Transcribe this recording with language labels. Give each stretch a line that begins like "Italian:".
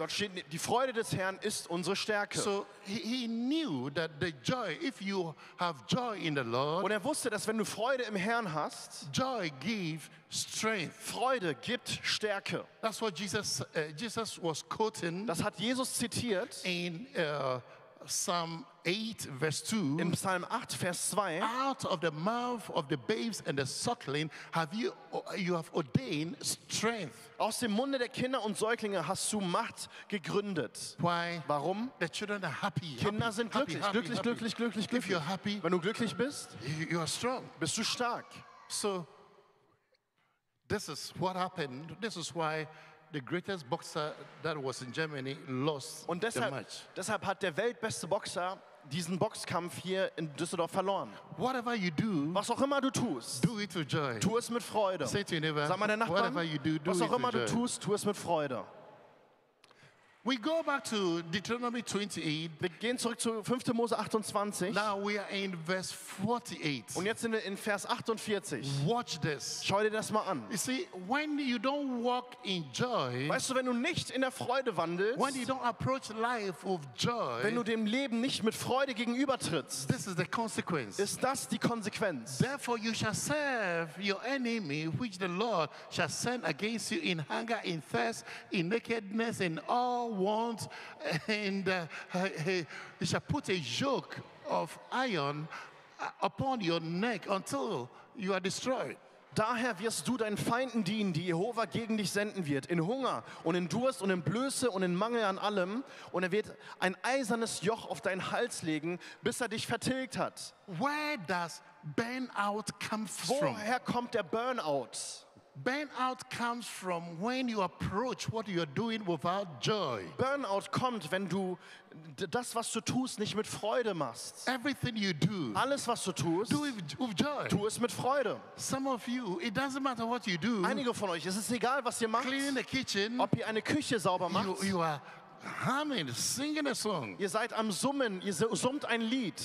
German: Dort steht, die Freude des Herrn ist unsere Stärke.
English: So he knew that the joy, if you have joy in the Lord,
German: und er wusste, dass wenn du Freude im Herrn hast,
English: joy gives strength.
German: Freude gibt Stärke.
English: That's what Jesus was quoting.
German: Das hat Jesus zitiert
English: in Psalm 8, verse 2.
German: In Psalm 8, verse 2.
English: Out of the mouth of the babes and the suckling have you have ordained strength.
German: Aus dem Munde der Kinder und Säuglinge hast du Macht gegründet.
English: Why?
German: Warum?
English: The children are happy.
German: Kinder
English: happy,
German: sind glücklich, happy, glücklich, happy, glücklich, glücklich, glücklich.
English: If you're happy,
German: wenn du glücklich bist,
English: you are strong.
German: Bist du stark.
English: So, this is what happened. This is why the greatest boxer that was in Germany lost
German: und deshalb,
English: the match.
German: Deshalb hat der weltbeste Boxer diesen Boxkampf hier in Düsseldorf verloren.
English: Whatever you do,
German: was auch immer du tust,
English: do it with joy.
German: Tu es mit Freude.
English: Say to your neighbor,
German: sag mal der Nachbarn,
English: whatever you do, do
German: was auch
English: it
German: immer
English: with
German: du tust, tu es mit Freude.
English: We go back to Deuteronomy 28.
German: Wir gehen zurück zu 5. Mose 28.
English: Now we are in verse 48.
German: Und jetzt sind wir in Vers 48.
English: Watch this.
German: Schau dir das mal an.
English: You see, when you don't walk in joy,
German: weißt du, wenn du nicht in der Freude wandelst,
English: when you don't approach life with joy,
German: wenn du dem Leben nicht mit Freude gegenübertrittst,
English: this is the consequence.
German: Ist das die Konsequenz?
English: Therefore you shall serve your enemy, which the Lord shall send against you in hunger, in thirst, in nakedness, in all want, and he shall put a yoke of iron upon your neck until you are destroyed.
German: Daher wirst du deinen Feinden dienen, die Jehova gegen dich senden wird, in Hunger und in Durst und in Blöße und in Mangel an allem, und er wird ein eisernes Joch auf deinen Hals legen, bis er dich vertilgt hat.
English: Where does burnout come from?
German: Woher kommt der Burnout?
English: Burnout comes from when you approach what you are doing without joy.
German: Burnout kommt, wenn du das, was du tust, nicht mit Freude machst.
English: Everything you do,
German: alles was du tust,
English: do it with joy.
German: Tu es mit Freude.
English: Some of you, it doesn't matter what you do.
German: Einige von euch, es ist egal, was ihr macht.
English: Clean the kitchen,
German: ob ihr eine Küche sauber macht.
English: You are humming, singing a song.
German: Ihr seid am Summen, ihr summt ein Lied.